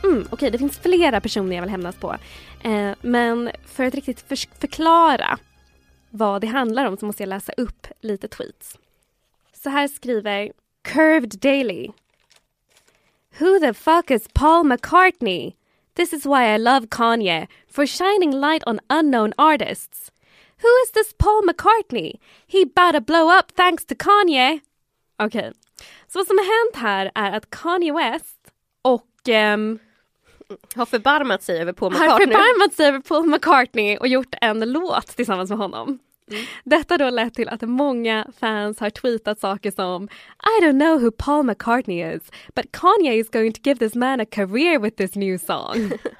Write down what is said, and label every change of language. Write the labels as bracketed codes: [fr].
[sv] Okej, det finns flera personer jag vill hämnas på. Men för att riktigt förklara vad det handlar om så måste jag läsa upp lite tweets. Så här skriver Curved Daily. [en] Who the fuck is Paul McCartney? This is why I love Kanye, for shining light on unknown artists. Who is this Paul McCartney? He about to blow up thanks to Kanye. Okej. Okay. [sv] Så vad som har hänt här är att Kanye West och... har förbarmat sig över Paul McCartney. Har förbarmat sig över Paul McCartney och gjort en låt tillsammans med honom. Detta då lett till att många fans har tweetat saker som I don't know who Paul McCartney is, but Kanye is going to give this man a career with this new song.